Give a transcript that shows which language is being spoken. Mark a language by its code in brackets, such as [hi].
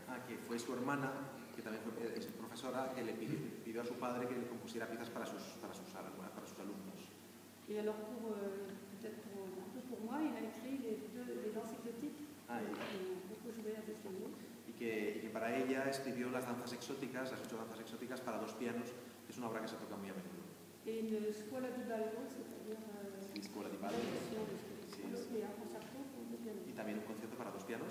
[es] Que fue su hermana, que también fue profesora, que le pidió a su padre que le compusiera piezas para sus alumnos. [fr] Y alors pour peut-être un peu pour moi, il a écrit les danses exotiques. Beaucoup joué avec les mots. [es] Y que para ella escribió las 8 danzas exóticas para 2 pianos, que es una obra que se toca muy a menudo. [fr] Et une scuola di ballo, c'est-à-dire [it] scuola di ballo. [es] Sí, es. Y un concierto con 2 pianos. Y también un concierto para 2 pianos.